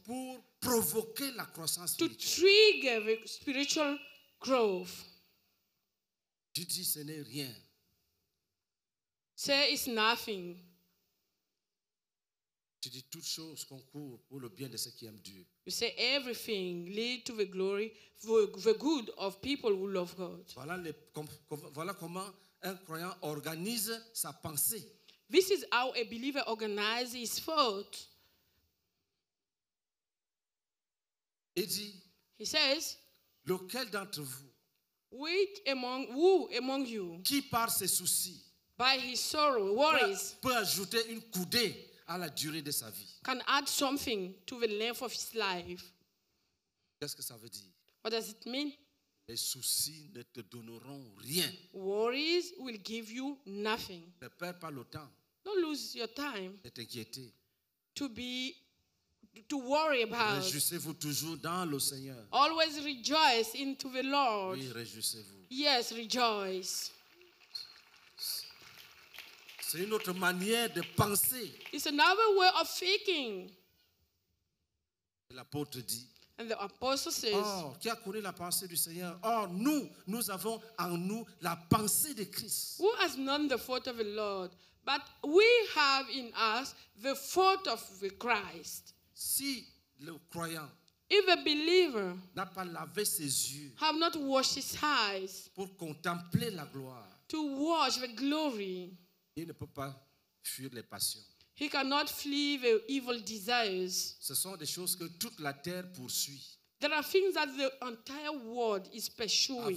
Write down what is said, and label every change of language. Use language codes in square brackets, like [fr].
[fr] Pour provoquer la croissance spirituelle. [en] To trigger the spiritual growth. [fr] Tu dis ce n'est rien. [en] Say it's nothing. [fr] Tu dis toutes choses concourent pour le bien de ceux qui aiment Dieu. [en] You say everything lead to the glory for the good of people who love God. [fr] Voilà, voilà comment un croyant organise sa pensée. [en] This is how a believer organizes his thought. [fr] Il dit, [en] he says, [fr] lequel d'entre vous, [en] which among who among you, [fr] qui par ses soucis, [en] by his sorrow, worries, [fr] peut ajouter une coudée à la durée de sa vie, [en] can add something to the length of his life. [fr] Qu'est-ce que ça veut dire? [en] What does it mean? [fr] Les soucis ne te donneront rien. [en] Worries will give you nothing. [fr] Ne perds pas le temps. [en] Don't lose your time. [fr] Ne t'inquiète. [en] To worry about. [fr] Réjouissez-vous toujours dans le Seigneur. [en] Always rejoice into the Lord. [fr] Oui, réjouissez-vous. [en] Yes, rejoice. [fr] C'est une autre manière de penser. [en] It's another way of thinking. [fr] L'apôtre dit. [en] And the apostle says. [fr] Or, qui a connu la pensée du Seigneur? Or, nous avons en nous la pensée de Christ. [en] Who has known the thought of the Lord? But we have in us the thought of the Christ. [fr] Si le croyant, [en] if a believer, [fr] n'a pas lavé ses yeux, [en] have not washed his eyes, [fr] pour contempler la gloire, [en] to watch the glory, [fr] il ne peut pas fuir les passions. [en] He cannot flee the evil desires. [fr] Ce sont des choses que toute la terre poursuit. [en] There are things that the entire world is pursuing.